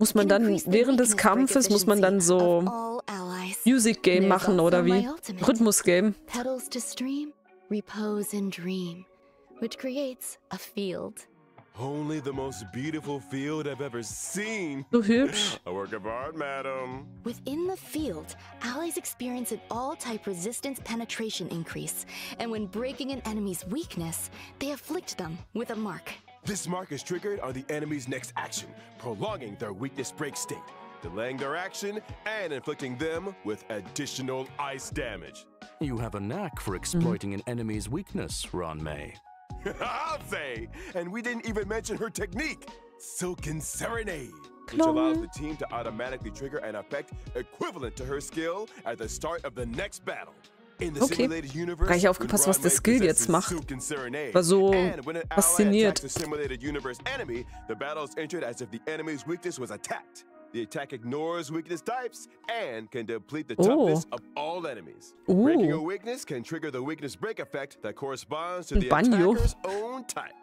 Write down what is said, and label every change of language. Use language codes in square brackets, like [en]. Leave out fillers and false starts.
[de] muss man dann während des Kampfes muss man dann so Music Game [en] There's [de] machen oder wie? Rhythmus Game. [en] Petals to stream, repose and dream, which creates a field. Only the most beautiful field I've ever seen. [de] So hübsch. [en] A work of art, madam. Within the field, allies experience an all-type resistance penetration increase. And when breaking an enemy's weakness, they afflict them with a mark. This mark is triggered on the enemy's next action, prolonging their weakness break state, delaying their action, and inflicting them with additional ice damage. You have a knack for exploiting an enemy's weakness, Ruan Mei. I'll say, and we didn't even mention her technique, Silken Serenade, which allows the team to automatically trigger an effect equivalent to her skill at the start of the next battle. In the okay. [de] simulated universe, gleich aufgepasst, was der Skill jetzt macht. War so fasziniert. [en] The simulated universe enemy, the battle is entered as if the enemy's weakness was attacked. The attack ignores weakness types and can deplete the toughness of all enemies. Breaking a weakness can trigger the weakness break effect that corresponds to the attacker's own type.